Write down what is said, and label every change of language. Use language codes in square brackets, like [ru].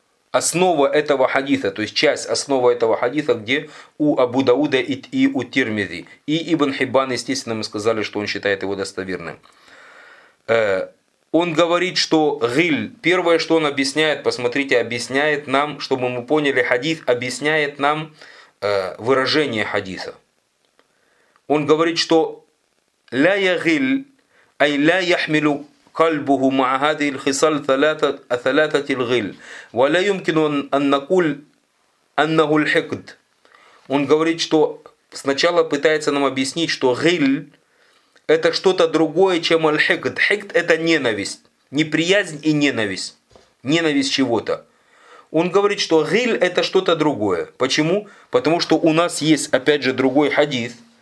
[ru] Основа этого хадиса, то есть часть основы этого хадиса, где у Абу Дауда и у Тирмизи. И Ибн Хиббан, естественно, мы сказали, что он считает его достоверным. Он говорит, что гиль, первое, что он объясняет, посмотрите, объясняет нам, чтобы мы поняли, хадис объясняет нам выражение хадиса. Он говорит, что [ar] ла ягил, ай ла яхмилу قلبه مع هذه الخصال ثلاثة الغل ولا يمكن أن نقول أنه الحقد. [ru] Он говорит, что сначала пытается нам объяснить, что غل это что-то другое, чем الحقد. حقد это ненависть, неприязнь и ненависть, ненависть чего-то. Он говорит, что غل это что-то другое. Почему? Потому что у нас есть опять же другой хадис.